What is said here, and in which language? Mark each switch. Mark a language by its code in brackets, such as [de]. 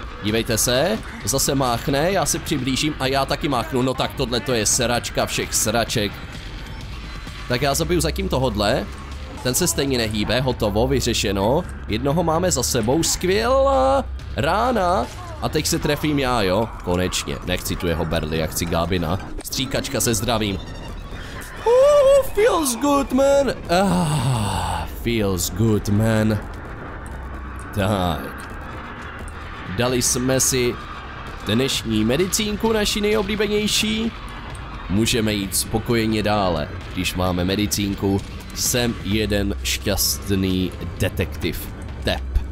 [cs] Dívejte se, zase máchne, já se přiblížím a já taky máchnu, no tak tohle to je sračka všech sraček. Tak já zabiju zatím tohodle, ten se stejně nehýbe, hotovo, vyřešeno, jednoho máme za sebou, skvělá rána a teď se trefím já, jo, konečně, nechci tu jeho berly, já chci Gabina, stříkačka se zdravím. [en] Oh, feels good man, feels good man. [cs] Tak. Dali jsme si dnešní medicínku, naši nejoblíbenější. Můžeme jít spokojeně dále, když máme medicínku. Jsem jeden šťastný detektiv. Tep.